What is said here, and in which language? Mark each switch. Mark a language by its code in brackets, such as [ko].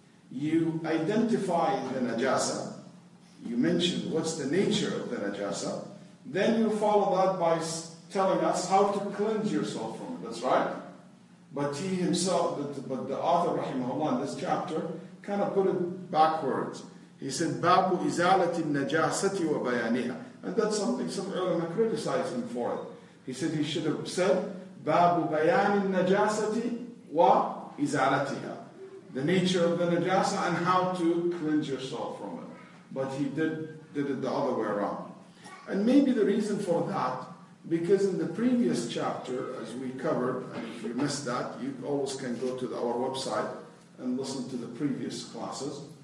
[en] You identify the najasa, you mention what's the nature of the najasa, then you follow that by telling us how to cleanse yourself from it, that's right? But he himself, but the author, rahimahullah, in this chapter, kind of put it backwards. He said, [ar] بَابُ إِزَالَةِ النَّجَاسَةِ وَبَيَانِهَا. [en] And that's something some ulama criticized him for it. He said he should have said, [ar] بَابُ بَيَانِ النَّجَاسَةِ وَإِزَالَتِهَا. [en] The nature of the najasa and how to cleanse yourself from it. But he did it the other way around. And maybe the reason for that, because in the previous chapter, as we covered, and if you missed that, you always can go to our website and listen to the previous classes.